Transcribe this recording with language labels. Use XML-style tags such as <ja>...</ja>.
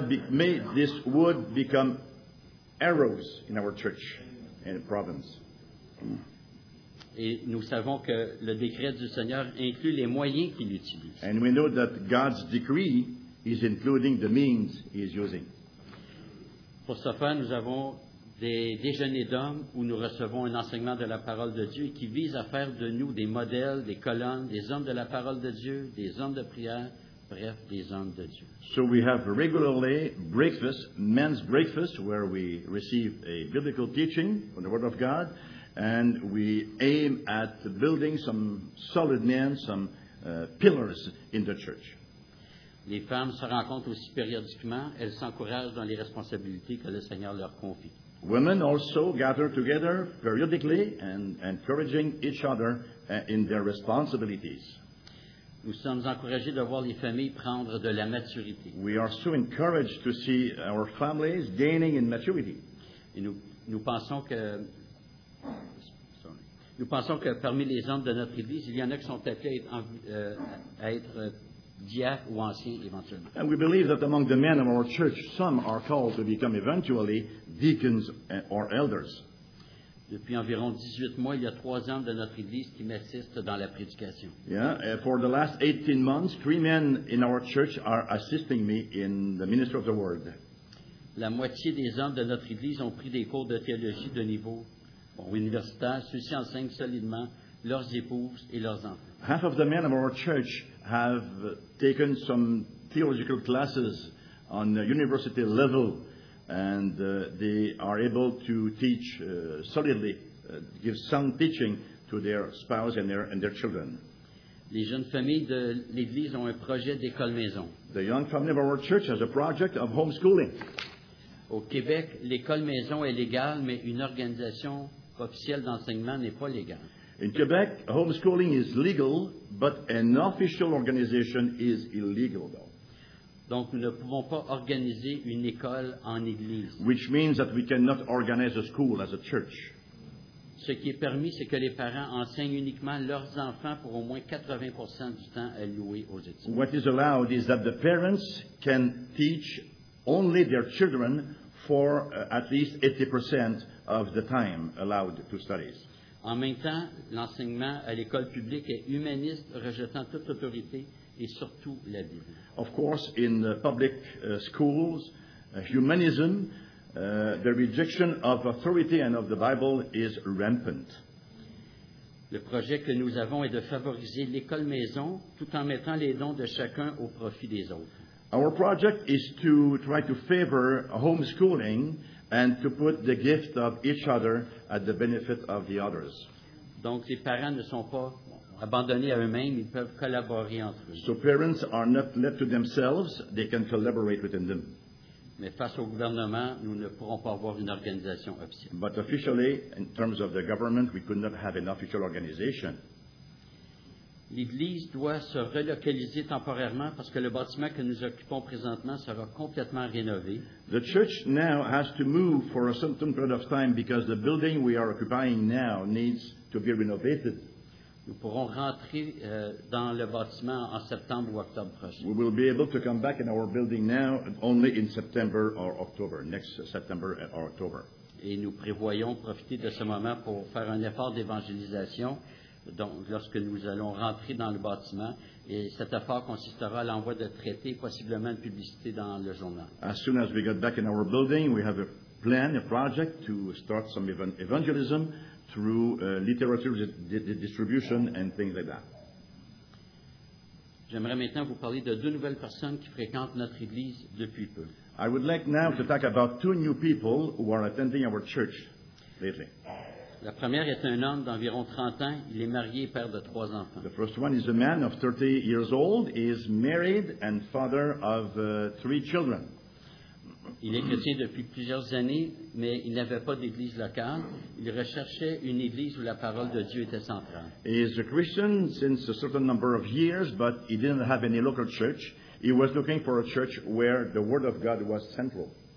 <en>may this wood become arrows in our church and province.</en> <fr>Et nous savons que le décret du Seigneur inclut les moyens qu'il utilise.</fr> <en>And we know that God's decree is including the means he is using.</en> <fr>Pour ce faire, nous avons des déjeuners d'hommes où nous recevons un enseignement de la parole de Dieu qui vise à faire de nous des modèles, des colonnes, des hommes de la parole de Dieu, des hommes de prière. Bref, des hommes de Dieu.</fr> <en>So we have regularly breakfast, men's breakfast, where we receive a biblical teaching from the Word of God, and we aim at building some solid men, some pillars in the church.</en> <fr>Les femmes se rencontrent aussi périodiquement. Elles s'encouragent dans les responsabilités que le Seigneur leur confie.</fr> <en>Women also gather together periodically and encouraging each other in their responsibilities.</en> <fr>Nous sommes encouragés de voir les familles prendre de la maturité.</fr> <en>We are so encouraged to see our families gaining in maturity.</en> <fr>Et nous pensons que parmi les hommes de notre église, il y en a qui sont appelés à être diacres ou anciens éventuellement.</fr> <en>And we believe that among the men of our church, some are called to become eventually deacons or elders.</en> <fr>Depuis environ 18 mois, il y a 3 hommes de notre église qui m'assistent dans la prédication.</fr> <en>Yeah, for the last 18 months, 3 men in our church are assisting me in the ministry of the word.</en> <fr>La moitié des hommes de notre église ont pris des cours de théologie de niveau universitaire. Ceux-ci enseignent solidement leurs épouses et leurs enfants.</fr> <en>Half of the men of our church have taken some theological classes on a university level. And they are able to teach solidly, give sound teaching to their spouse and their children.</en> <fr>Les jeunes familles de l'église ont un projet d'école maison.</fr> <en>The young family of our church has a project of homeschooling.</en> <fr>Au Québec, l'école maison est légale, mais une organisation officielle d'enseignement n'est pas légale.</fr> <en>In Quebec, homeschooling is legal, but an official organization is illegal, though.</en> <fr>Donc, nous ne pouvons pas organiser une école en église.</fr> <en>Which means that we cannot organize a school as a church.</en> <fr>Ce qui est permis, c'est que les parents enseignent uniquement leurs enfants pour au moins 80% du temps alloué aux études.</fr> <en>What is allowed is that the parents can teach only their children for at least 80% of the time allowed to studies.</en> <fr>En même temps, l'enseignement à l'école publique est humaniste, rejetant toute autorité. Et surtout la Bible.</fr> <en>Of course, in the public schools, humanism, the rejection of authority and of the Bible is rampant.</en> <fr>Le projet que nous avons est de favoriser l'école maison tout en mettant les dons de chacun au profit des autres.</fr> <en>Our project is to try to favor homeschooling and to put the gift of each other at the benefit of the others.</en> <fr>Donc les parents ne sont pas abandonnés à eux-mêmes, ils peuvent collaborer entre eux.</fr> <en>So parents are not left to themselves, they can collaborate within them.</en> <fr>Mais face au gouvernement, nous ne pourrons pas avoir une organisation officielle.</fr> <en>But officially, in terms of the government, we could not have an official organization.</en> <fr>L'église doit se relocaliser temporairement parce que le bâtiment que nous occupons présentement sera complètement rénové.</fr> <en>The church now has to move for a certain period of time because the building we are occupying now needs to be renovated.</en> <fr>Nous pourrons rentrer dans le bâtiment en septembre ou octobre prochain.</fr> <en>We will be able to come back in our building now only in September or October, next September or October.</en> <fr>Et nous prévoyons profiter de ce moment pour faire un effort d'évangélisation. Donc, lorsque nous allons rentrer dans le bâtiment, et cet effort consistera à l'envoi de traités, possiblement de publicité dans le journal.</fr> <en>As soon as we get back in our building, we have a plan, a project to start some evangelism through literature distribution and things like that.</en> <fr>J'aimerais maintenant vous parler de deux nouvelles personnes qui fréquentent notre église depuis peu.</fr> <en>I would like now to talk about two new people who are attending our church lately.</en> <fr>La première est un homme d'environ 30 ans. Il est marié et père de 3 enfants.</fr> <en>The first one is a man of 30 years old. He is married and father of 3 children.</en> <fr>Il est chrétien depuis plusieurs années, mais il n'avait pas d'église locale. Il recherchait une église où la parole de Dieu était centrale.</fr> <en>He is a Christian since a certain number of years, but he didn't have any local church. He was looking for a church where the word of God was central.</en>